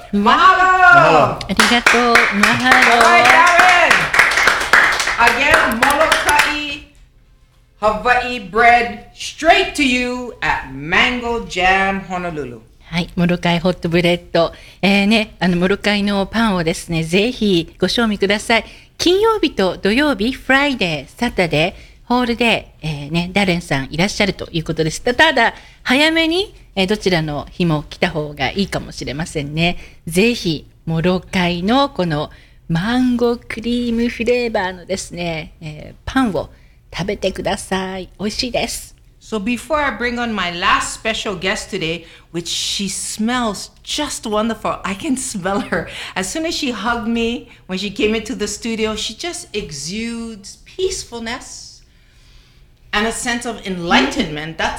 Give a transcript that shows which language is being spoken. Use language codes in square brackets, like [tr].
[haw] Mahalo! [ja] Arigato, [haw] mahalo. [en] Hi, Darren. Again, Molokai Hawaii bread straight to you at Mango Jam Honolulu. [ja] はい、Molokai hot bread. Molokai のパンをですね、ぜひご賞味ください。金曜日と土曜日、フライデー、サタデー、ホールで、ね、ダレンさんいらっしゃるということです。ただ、早めに、どちらの日も来た方がいいかもしれませんね。ぜひ、モロカイのこのマンゴークリームフレーバーのですね、パンを食べてください。美味しいです。 [en] So before I bring on my last special guest today, which she smells just wonderful. I can smell her. As soon as she hugged me when she came into the studio, she just exudes peacefulness and a sense of enlightenment.